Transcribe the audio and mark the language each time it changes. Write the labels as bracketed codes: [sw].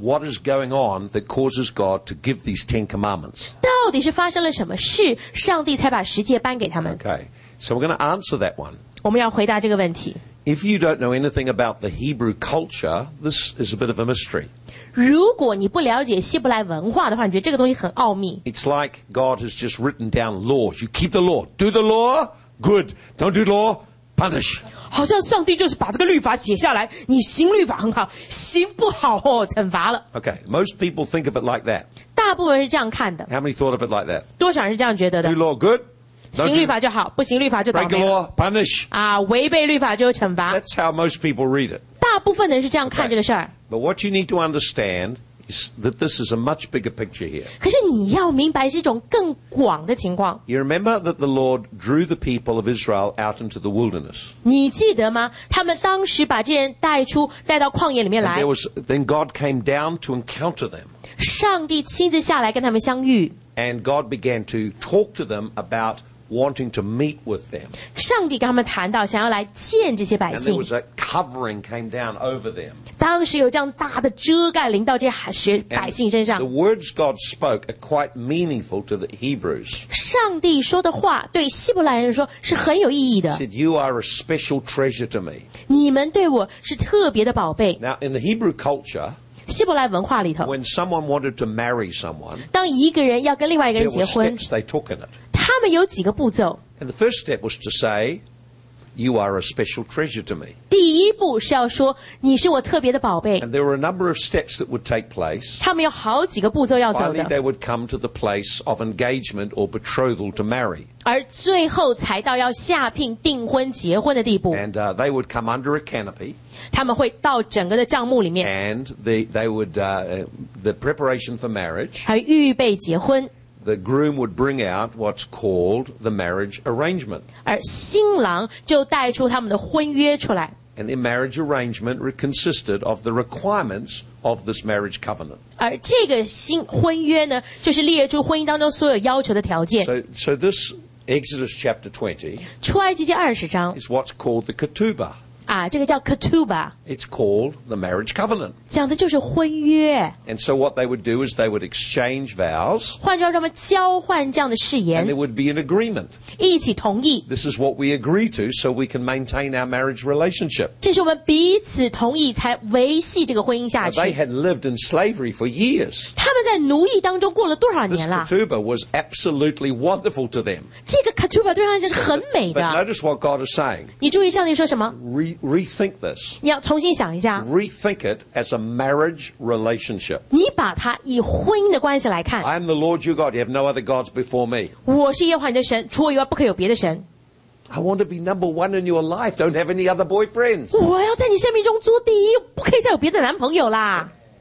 [en] What is going on that causes God to give these Ten Commandments? [zh] 到底是发生了什么事，上帝才把十诫颁给他们？ [en] Okay, so we're going to answer that one. [zh] 我们要回答这个问题。 [en] If you don't know anything about the Hebrew culture, this is a bit of a mystery. [zh] 如果你不了解希伯来文化的话，你觉得这个东西很奥秘。 [en] It's like God has just written down laws. You keep the law. Do the law? Good. Don't do law? Punish. [zh] 好像上帝就是把这个律法写下来，你行律法很好，行不好哦，惩罚了。 [en] Okay, most people think of it like that. [zh] 大部分人是这样看的。 [en] How many thought of it like that? [zh] 多少人是这样觉得的? [en] Do law? Good. [zh] 行律法就好，不行律法就倒霉了。 [en] Break the law, punish. [zh] 违背律法就有惩罚。 [en] That's how most people read it. [zh] 大部分人是这样看这个事儿。 [en] Okay. But what you need to understand is that this is a much bigger picture here. [zh] 可是你要明白是一种更广的情况。 [en] You remember that the Lord drew the people of Israel out into the wilderness. [zh] 你记得吗? 他们当时把这些人带到旷野里面来。 [en] Then God came down to encounter them. [zh] 上帝亲自下来跟他们相遇。 [en] And God began to talk to them about wanting to meet with them. [zh] 上帝跟他们谈到想要来见这些百姓。 [en] And there was a covering came down over them. [zh] 当时有这样大的遮盖临到这些百姓身上。 [en] The words God spoke are quite meaningful to the Hebrews. [zh] 上帝说的话对希伯来人说是很有意义的。 [en] He said, you are a special treasure to me. [zh] 你们对我是特别的宝贝。 [en] Now, in the Hebrew culture, [zh] 希伯来文化里头, [en] when someone wanted to marry someone, [zh] 当一个人要跟另外一个人结婚, [en] there were steps they took in it. [zh] 他们有几个步骤。 [en] And the first step was to say, you are a special treasure to me. [zh] 第一步是要说, 你是我特别的宝贝。 [en] And there were a number of steps that would take place. [zh] 他们有好几个步骤要走的。 [en] Finally, they would come to the place of engagement or betrothal to marry. [zh] 而最后才到要下聘订婚结婚的地步。 [en] And they would come under a canopy. [zh] 他们会到整个的帐幕里面。 [en] And they would, the preparation for marriage. [zh] 还预备结婚。 [en] The groom would bring out what's called the marriage arrangement. [zh] 而新郎就带出他们的婚约出来。 [en] And the marriage arrangement consisted of the requirements of this marriage covenant. [zh] 而这个新婚约呢，就是列出婚姻当中所有要求的条件。 [en] So this Exodus chapter 20, [zh] 出埃及记20章, [en] is what's called the ketubah. [zh] 这个叫 ketubah. [en] It's called the marriage covenant. [zh] 讲的就是婚约。 [en] And so what they would do is they would exchange vows. [zh] 换句话说，他们交换这样的誓言。 [en] And it would be an agreement. [zh] 一起同意。 [en] This is what we agree to so we can maintain our marriage relationship. [zh] 这是我们彼此同意才维系这个婚姻下去。 [en] Now they had lived in slavery for years. [zh] 他们在奴役当中过了多少年了。 [en] This ketubah was absolutely wonderful to them. [zh] 这个 ketubah 对他们是很美的。 [en] But notice what God is saying. [zh] 你注意上帝说什么？ [en] Rethink this. [zh] 你要重新想一下。 [en] Rethink it as a marriage relationship. [zh] 你把它以婚姻的关系来看。 [en] I am the Lord your God. You have no other gods before me. [zh] 我是耶和华你的神, 除我以外不可有别的神。 [en] I want to be number one in your life. Don't have any other boyfriends. [zh] 我要在你生命中做第一, 不可以再有别的男朋友啦。